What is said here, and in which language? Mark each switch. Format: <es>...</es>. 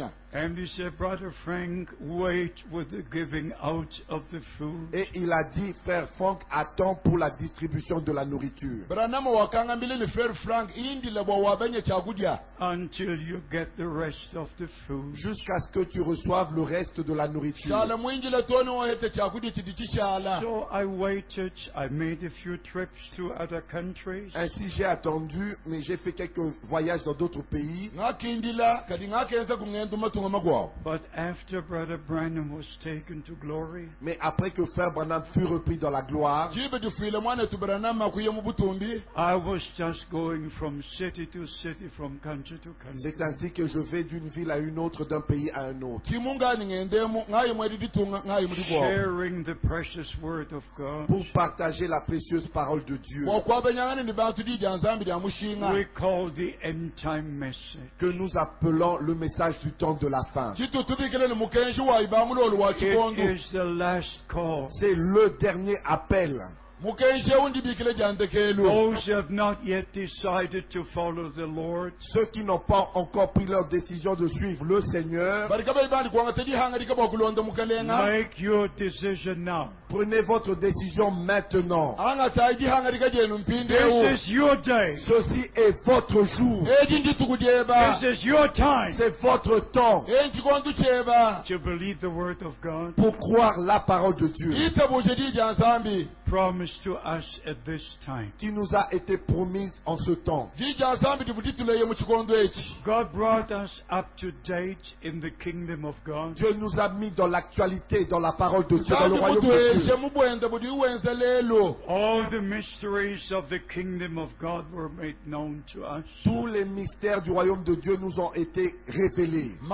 <en>And he said, Brother Frank, wait with the giving out of the food.</en> <fr>Et il a dit, Frère Frank, attends pour la distribution de la nourriture.</fr> <en>Until you get the rest of the food.</en> <fr>Jusqu'à ce que tu reçoives le reste de la nourriture.</fr> <en>So I waited, I made a few trips to other countries.</en> <fr>Ainsi j'ai attendu, mais j'ai fait quelques voyages dans d'autres pays.</fr> <en>But after Brother Branham was taken to glory,</en> <fr>mais après que Frère Branham fut repris dans la gloire,</fr> <en>I was just going from city to city, from country to country.</en> <fr>C'est ainsi que je vais d'une ville à une autre, d'un pays à un autre.</fr> <en>Sharing the precious word of God.</en> <fr>Pour partager la précieuse parole de Dieu.</fr> <en>We call the end time message.</en> <fr>Que nous appelons le message du temps de la fin.</fr> <en>It is the last call.</en> <fr>C'est le dernier appel.</fr> <en>Those who have not yet decided to follow the Lord,</en> <fr>ceux qui n'ont pas encore pris leur décision de suivre le Seigneur,</fr> <en>make your decision now.</en> <fr>Prenez votre décision maintenant.</fr> <en>This is your day.</en> <fr>Ceci est votre jour.</fr> <en>This is your time.</en> <fr>C'est votre temps.</fr> <en>To believe the word of God.</en> <fr>Pour croire la parole de Dieu.</fr> <en>Promised to us at this time.</en> <fr>Qui nous a été promise en ce temps.</fr> <en>God brought us up to date in the kingdom of God.</en> <fr>Dieu nous a mis dans l'actualité, dans la parole de Dieu, dans le royaume de Dieu.</fr> <en>All the mysteries of the kingdom of God were made known to us.</en> <fr>Tous les mystères du royaume de Dieu nous ont été révélés.</fr>